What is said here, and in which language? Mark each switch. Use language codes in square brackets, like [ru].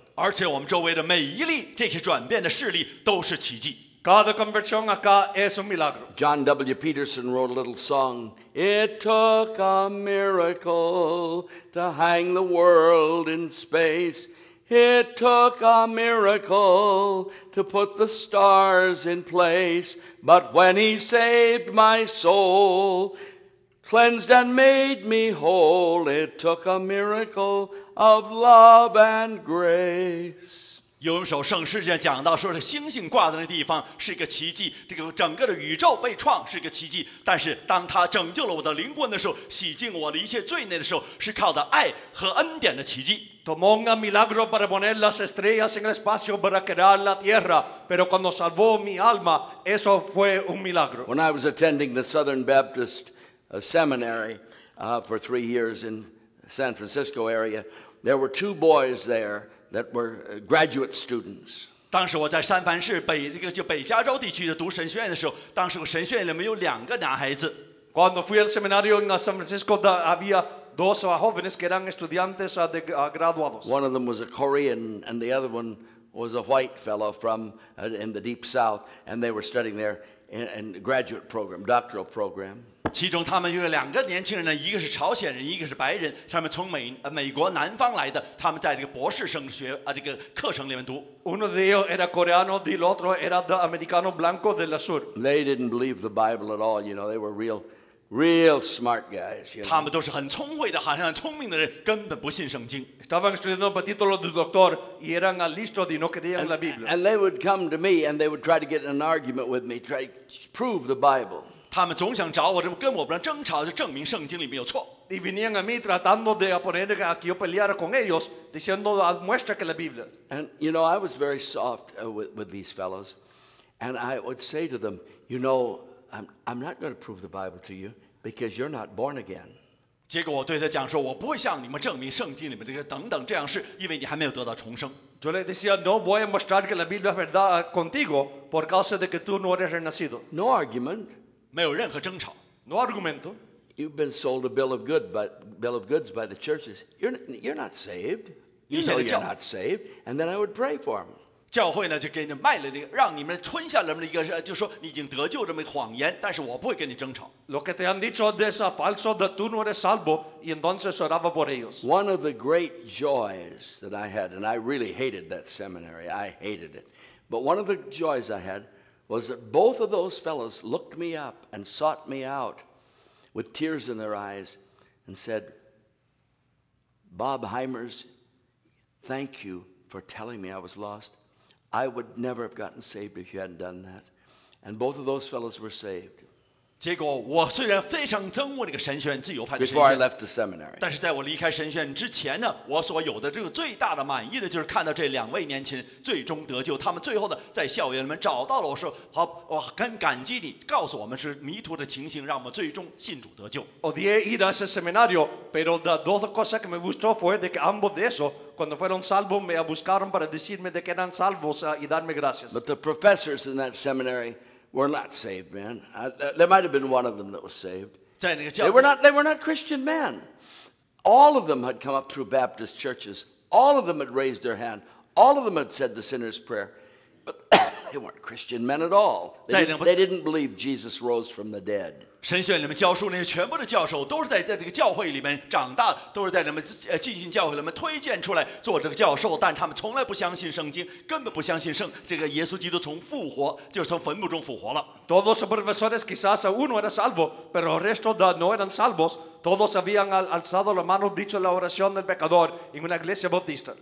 [zh] 而且我们周围的每一例这些转变的事例都是奇迹。 [es] Cada conversión acá es un milagro. [en] John W. Peterson wrote a little song. It took a miracle to hang the world in space. It took a miracle to put the stars in place. But when he saved my soul, cleansed and made me whole, it took a miracle. Of love and grace. [zh] 有一首圣诗讲到，说是星星挂在那地方是一个奇迹，这个整个的宇宙被创是一个奇迹。但是当他拯救了我的灵魂的时候，洗净我的一切罪孽的时候，是靠的爱和恩典的奇迹。 [es] Tomó un milagro para poner las estrellas en el espacio para crear la tierra, pero cuando salvó mi alma, eso fue un milagro. [en] When I was attending the Southern Baptist Seminary for 3 years in. San Francisco area, there were two boys there that were graduate students. [zh] 当时我在三藩市北这个就北加州地区的读神学院的时候，当时我神学院里面有两个男孩子。 [es] Cuando fui al seminario en San Francisco, había dos jóvenes que eran estudiantes de graduados. [en] One of them was a Korean, and the other one was a white fellow from in the deep south, and they were studying there in graduate program, doctoral program. [zh] 其中他们就是两个年轻人呢，一个是朝鲜人，一个是白人，他们从美国南方来的，他们在这个博士生学这个课程里面读。 [es] Uno de ellos era coreano, del otro era de americano blanco del sur. [en] They didn't believe the Bible at all, you know. They were real smart guys. You know? [zh] 他们都是很聪慧的，好像很聪明的人，根本不信圣经。 [es] Estaban estudiando para título de doctor y eran listos y no creían la Biblia. [en] And they would come to me and they would try to get in an argument with me, try to prove the Bible. [zh] 他们总想找我，跟我们争吵，就证明圣经里面有错。 [es] Y venían a mí tratando de poner a que yo peleara con ellos, diciendo muestra que la Biblia. [en] And you know, I was very soft with these fellows, and I would say to them, you know, I'm not going to prove the Bible to you because you're not born again. [zh] 结果我对他讲说，我不会向你们证明圣经里面这个等等这样事，因为你还没有得到重生。 [es] Yo le decía, no voy a mostrar que la Biblia es verdad contigo por causa de que tú no eres renacido. [en] No argument. [zh] 没有任何争吵。 [es] No argumento. [en] You've been sold a bill of goods by the churches. You're not saved. You know you're not saved. And then I would pray for them. [zh] 教会呢就给你卖了那个，让你们吞下了那么一个，就说你已经得救这么一个谎言。但是我不会跟你争吵。 [es] Lo que te han dicho es falso, de tú no eres salvo, y entonces oraba por ellos. [en] One of the great joys that I had, and I really hated that seminary. I hated it. But one of the joys I had. Was that both of those fellows looked me up and sought me out with tears in their eyes and said, Bob Hymers, thank you for telling me I was lost. I would never have gotten saved if you hadn't done that. And both of those fellows were saved. [zh] 结果我虽然非常憎恶那个神学院自由派的神学院 [en] Before I left the seminary. [zh] 但是在我离开神学院之前呢，我所有的这个最大的满意的就是看到这两位年轻人最终得救，他们最后呢在校园里面找到了，我说好，我很感激你告诉我们是迷途的情形，让我们最终信主得救。 [es] Odié ir a ese seminario, pero las dos cosas que me gustó fue de que ambos de esos cuando fueron salvos me buscaron para decirme de que eran salvos y darme gracias. [en] But the professors in that seminary were not saved men. There might have been one of them that was saved. They were not Christian men. All of them had come up through Baptist churches. All of them had raised their hand. All of them had said the sinner's prayer. But they weren't Christian men at all. They didn't believe Jesus rose from the dead. [zh] 神学院里面教书那些全部的教授都是 在这个教会里面长大，都是在那么进行教会里面推荐出来做这个教授，但他们从来不相信圣经，根本不相信圣这个耶稣基督从复活就是从坟墓中复活了。 [es] Todos los profesores quizás uno era salvo pero el resto no eran salvos. Todos habían alzado las manos dicho la oración del pecador en una iglesia bautista.